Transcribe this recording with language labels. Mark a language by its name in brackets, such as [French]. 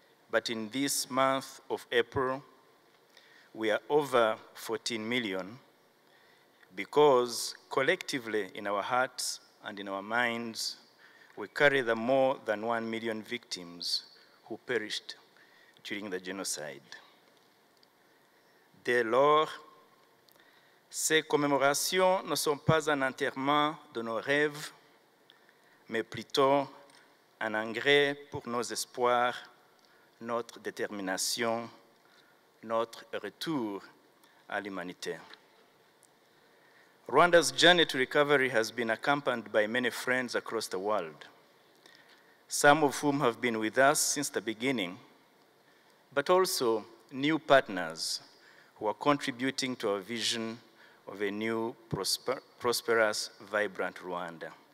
[English] But in this month of April, we are over 14 million because collectively in our hearts and in our minds, we carry the more than 1 million victims who perished during the genocide. [French] Dès lors, ces commémorations ne sont pas un enterrement de nos rêves, mais plutôt un engrais pour nos espoirs, notre détermination, notre retour à l'humanité. [English] Rwanda's journey to recovery has been accompanied by many friends across the world, some of whom have been with us since the beginning, but also new partners who are contributing to our vision of a new, prosperous, vibrant Rwanda.